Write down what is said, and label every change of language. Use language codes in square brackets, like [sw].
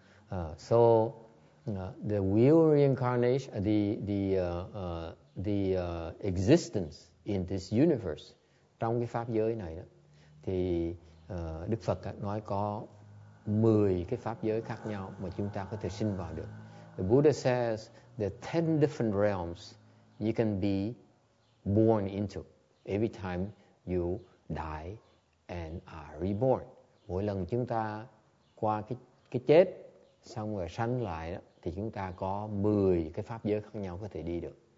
[en] The wheel reincarnation, the existence in this universe, [vi] trong cái pháp giới này đó, thì Đức Phật nói có 10 cái pháp giới khác nhau mà chúng ta có thể sinh vào được. [en] The Buddha says there are 10 different realms you can be born into every time you die and are reborn. [vi] Mỗi lần chúng ta qua cái chết xong rồi sanh lại đó, thì chúng ta có 10 cái pháp giới khác nhau có thể đi được.